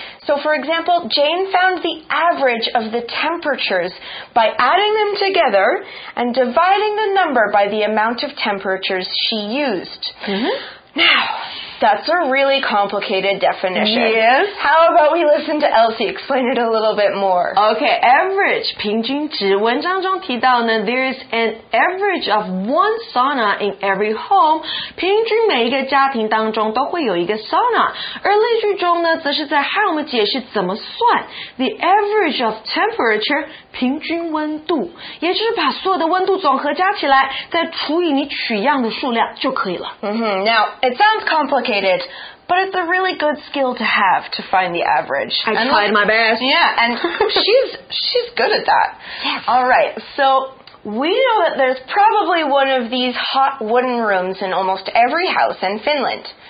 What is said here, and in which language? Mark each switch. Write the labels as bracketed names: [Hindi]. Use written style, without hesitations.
[English] So, for example, Jane found the average of the temperatures by adding them together and dividing the number by the amount of temperatures she used. Mm-hmm. Now... That's a really complicated definition. Yes. How about we listen to Elsie explain it a little bit more? Okay, average, 平均值。 [Chinese] 文章中提到呢 [English] there is an average of one sauna in every home. [Chinese] 平均每一个家庭当中都会有一个 sauna。而例句中呢则是在和我们解释怎么算。 [English] The average of temperature, 平均温度。 [Chinese] 也就是把所有的温度总和加起来再除以你取样的数量就可以了。 [English] Mm-hmm. Now, it sounds complicated, but it's a really good skill to have to find the average. I tried my best. Yeah, and she's good at that. Yes. All right, so we know that there's probably one of these hot wooden rooms in almost every house in Finland.